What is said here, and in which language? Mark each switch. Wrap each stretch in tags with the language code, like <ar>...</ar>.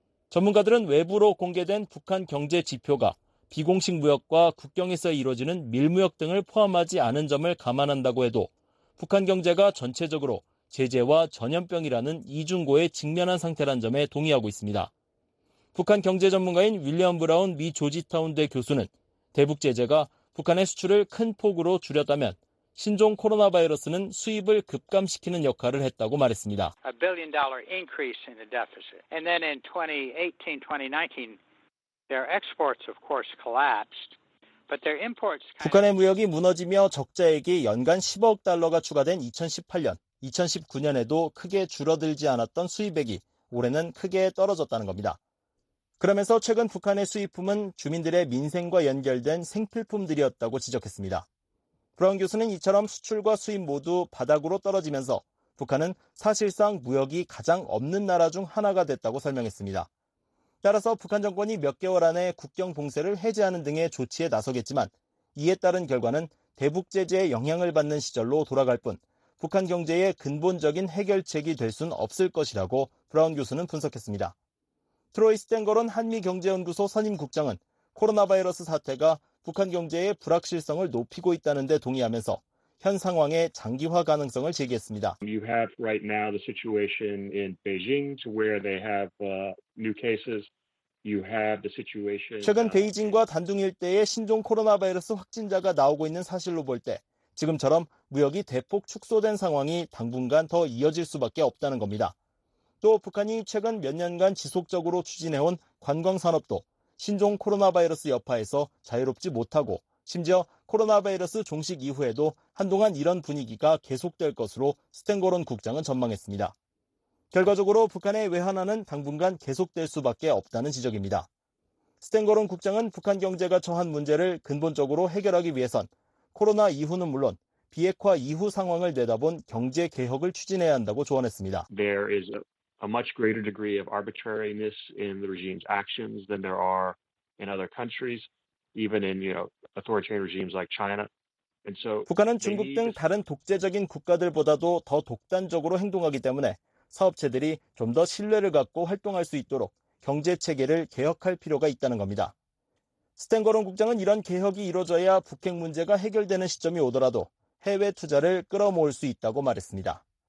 <ko>전문가들은 외부로 공개된 북한 경제 지표가 비공식 무역과 국경에서 이루어지는 밀무역 등을 포함하지 않은 점을 감안한다고 해도 북한 경제가 전체적으로 제재와 전염병이라는 이중고에 직면한 상태란 점에 동의하고 있습니다. 북한 경제 전문가인 윌리엄 브라운 미 조지타운대 교수는 대북 제재가 북한의 수출을 큰 폭으로 줄였다면 신종 코로나 바이러스는 수입을 급감시키는 역할을 했다고 말했습니다.</ko> <en>$1 billion increase in the deficit. And then in 2018-2019 their exports of course collapsed. But their</en> <ko>imports 북한의 무역이 무너지며 적자액이 연간 10억 달러가 추가된 2018년, 2019년에도 크게 줄어들지 않았던 수입액이 올해는 크게 떨어졌다는 겁니다. 그러면서 최근 북한의 수입품은 주민들의 민생과 연결된 생필품들이었다고 지적했습니다. 브라운 교수는 이처럼 수출과 수입 모두 바닥으로 떨어지면서 북한은 사실상 무역이 가장 없는 나라 중 하나가 됐다고 설명했습니다. 따라서 북한 정권이 몇 개월 안에 국경 봉쇄를 해제하는 등의 조치에 나서겠지만 이에 따른 결과는 대북 제재의 영향을 받는 시절로 돌아갈 뿐 북한 경제의 근본적인 해결책이 될 순 없을 것이라고 브라운 교수는 분석했습니다. 트로이 스탱거론 한미경제연구소 선임국장은 코로나 바이러스 사태가 북한 경제의 불확실성을 높이고 있다는 데 동의하면서 현 상황의 장기화 가능성을 제기했습니다.</ko> <en>You have right now the situation in Beijing to where they have new cases. You have the situation</en> <ko>최근 베이징과 단둥 일대에 신종 코로나 바이러스 확진자가 나오고 있는 사실로 볼 때 지금처럼 무역이 대폭 축소된 상황이 당분간 더 이어질 수밖에 없다는 겁니다. 또 북한이 최근 몇 년간 지속적으로 추진해 온 관광 산업도 신종 코로나 바이러스 여파에서 자유롭지 못하고 심지어 코로나 바이러스 종식 이후에도 한동안 이런 분위기가 계속될 것으로 스탱거론 국장은 전망했습니다. 결과적으로 북한의 외환화는 당분간 계속될 수밖에 없다는 지적입니다. 스탱거론 국장은 북한 경제가 처한 문제를 근본적으로 해결하기 위해선 코로나 이후는 물론 비핵화 이후 상황을 내다본 경제 개혁을 추진해야 한다고 조언했습니다.</ko> <en>There is a much greater degree of arbitrariness in the regime's actions than there are in other countries, even in, you know, authoritarian regimes like China. And so</en> <ko>북한은 중국 등 다른 독재적인 국가들보다도 더 독단적으로 행동하기 때문에 사업체들이 좀 더 신뢰를 갖고 활동할 수 있도록 경제 체계를 개혁할 필요가 있다는 겁니다. 스탱거론 국장은 이런 개혁이 이루어져야 북핵 문제가 해결되는 시점이 오더라도 해외 투자를 끌어모을 수 있다고 말했습니다.</ko>